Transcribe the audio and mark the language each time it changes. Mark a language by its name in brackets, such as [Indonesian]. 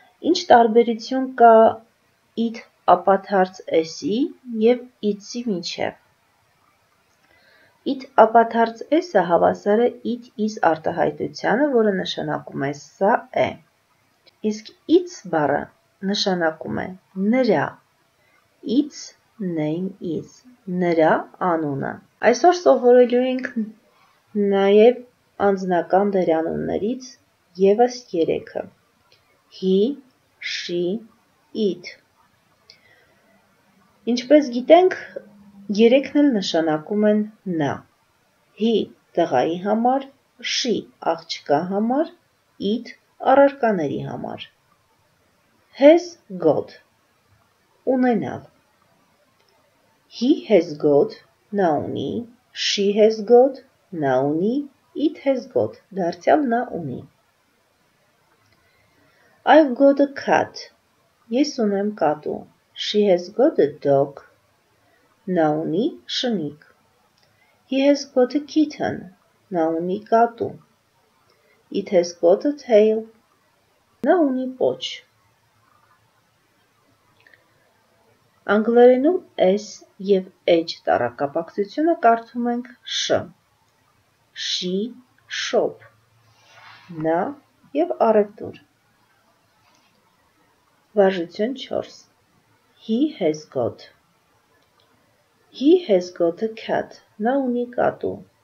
[Armenian] Ինչ տարբերություն կա it ապաթարց s-ի և its-ի միջև? It ապաթարց s-ը հավասար է [English] it is [Armenian] արտահայտությանը, որը նշանակում է սա է. Իսկ its բառը նշանակում է նրա. [English] Its name is [Armenian] նրա անունը. Այսօր սովորելու ենք նաև անձնական դերանուններից ևս 3-ը. [English] He, she, it. [Armenian] Ինչպես գիտենք, 3-ն էլ նշանակում են նա. He տղայի համար, she աղջկա համար, it առարկաների համար. [English] Has got [Armenian] ունենալ. [English] He has got, [Armenian] նա ունի, [English] she has got, նա ունի, it has got, [Armenian] դարձյալ նա ունի. [English] I've got a cat, [Armenian] ես ունեմ կատու, [English] she has got a dog, [Armenian] նա ունի շնիկ. [English] He has got a kitten, [Armenian] նա ունի կատու, [English] it has got a tail, [Armenian] նա ունի պոչ. Անգլերենում S և H տառակապակցությունը կարդում ենք Շ. [English] She, shop. [Armenian] Նա և առևտուր. Բաժություն 4. [English] He has got. He has got a cat. [Armenian] Նա ունի կատու.